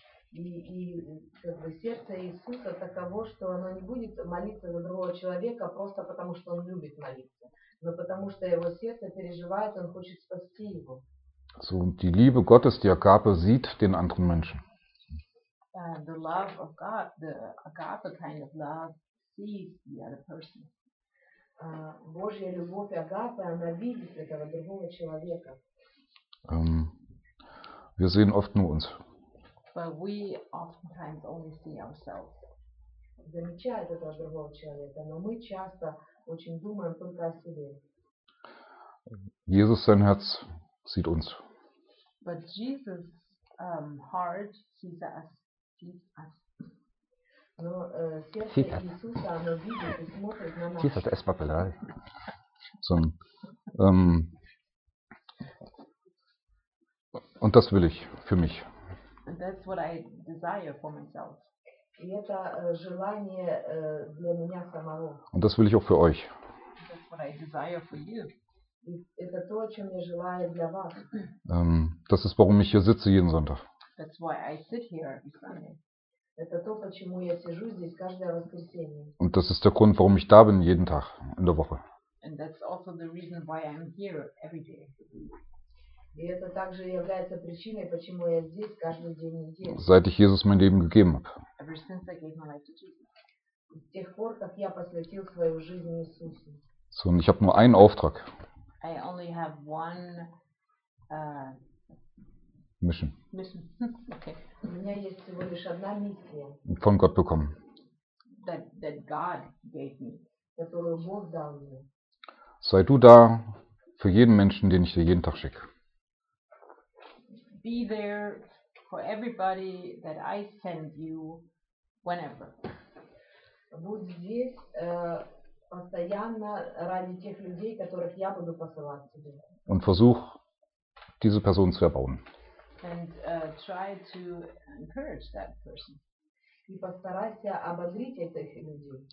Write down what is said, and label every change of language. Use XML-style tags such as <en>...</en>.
<ru>И как бы сердце Иисуса таково, что оно не будет молиться за другого человека просто потому, что он любит молиться, но потому, что его сердце переживает, он хочет спасти его.</ru> <de>So, und die Liebe Gottes, die Agape, sieht den anderen Menschen.</de> <en>The love of God, the agape kind of love, sees the other person.</en> <ru>Божья любовь агапы, она видит этого другого человека.</ru> <de>Wir sehen oft nur uns.</de> <en>But we oftentimes only see ourselves.</en> <ru>Замечает этого другого человека, но мы часто очень думаем только о себе.</ru> <de>Jesus, sein Herz, sieht uns.</de> <en>But Jesus, heart sees us. Sees us.</en> <ru>Но сердце Иисуса, оно видит и смотрит на нас. Es papel, ay.</ru> <de>Und das will ich für mich.</de> <en>And that's what I desire for myself.</en> <ru>И это желание для меня самого.</ru> <de>Und das will ich auch für euch.</de> <en>That's what I desire for you.</en> <ru>И это то, о чем я желаю для вас.</ru> <de>Das ist, warum ich hier sitze jeden Sonntag.</de> <en>That's why I sit here every Sunday.</en> <ru>Это то, почему я сижу здесь каждое воскресенье.</ru> <de>Und das ist der Grund, warum ich da bin jeden Tag in der Woche.</de> <en>And that's also the reason why I'm here every day.</en> <ru>И это также является причиной, почему я здесь каждый день недели.</ru> <de>Seit ich Jesus mein Leben gegeben habe.</de> <en>Ever since I gave my life to Jesus.</en> <ru>С тех пор, как я посвятил свою жизнь Иисусу.</ru> <de>So, und ich habe nur einen Auftrag.</de> <en>I only have one Mission. Mission. Okay.</en> <ru>У меня есть всего лишь одна миссия.</ru> <de>Von Gott bekommen.</de> <en>That God gave me.</en> <ru>Которую Бог дал мне.</ru> <de>Sei du da für jeden Menschen, den ich dir jeden Tag schicke.</de> <en>Be there for everybody that I send you whenever.</en> <ru>Будь здесь постоянно ради тех людей, которых я буду посылать тебе.</ru> <de>Und versuch, diese Person zu erbauen.</de> <en>And try to encourage that person.</en> <ru>И постарайся ободрить этих людей.</ru>